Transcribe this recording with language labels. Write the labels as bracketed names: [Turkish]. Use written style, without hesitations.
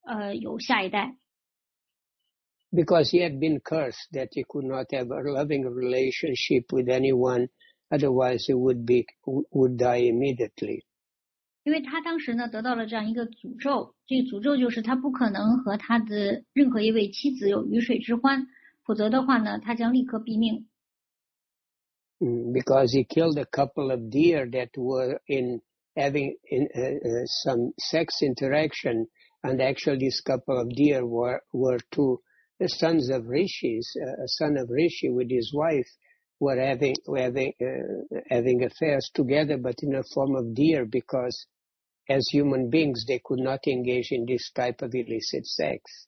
[Chinese] 所以我们也听到了潘度听说呢，昆提王后他从杜尔萨穆尼那里得到了这个祝福，那么他就可以不需要和他的两位妻子有这样的性上的关系，就能够有下一代。 [English] Because he had been cursed that he could not have a loving relationship with anyone, otherwise he would die immediately. [Chinese] 因为他当时呢得到了这样一个诅咒，这个诅咒就是他不可能和他的任何一位妻子有鱼水之欢，否则的话呢，他将立刻毙命。 [English] Because he killed a couple of deer that were in having in some sex interaction, and actually this couple of deer were two sons of rishis, a son of Rishi with his wife. were having affairs together, but in a form of deer, because as human beings they could not engage in this type of illicit sex.